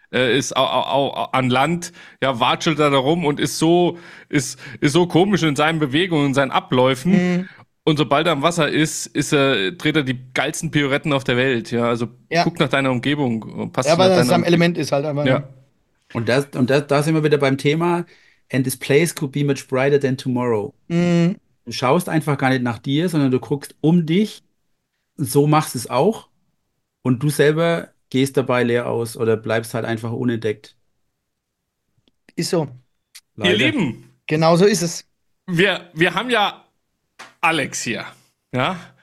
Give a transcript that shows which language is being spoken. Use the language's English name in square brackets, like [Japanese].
[German] ist an Land, ja, watschelt da rum und ist so komisch in seinen Bewegungen, in seinen Abläufen. Und sobald er am Wasser dreht er die geilsten Pirouetten auf der Welt. Ja, also Ja. guck nach deiner Umgebung, Ja, passt nach weil das deiner am Umgebung. Element ist halt einfach, ne? Ja. Und da sind wir wieder beim Thema. [English] And this place could be much brighter than tomorrow. [German] Du schaust einfach gar nicht nach dir, sondern du guckst um dich. So machst es auch. Und du selber gehst dabei leer aus oder bleibst halt einfach unentdeckt. Ist so. Ihr Leider. Lieben, genauso ist es. Wir haben ja Alex hier. Ja?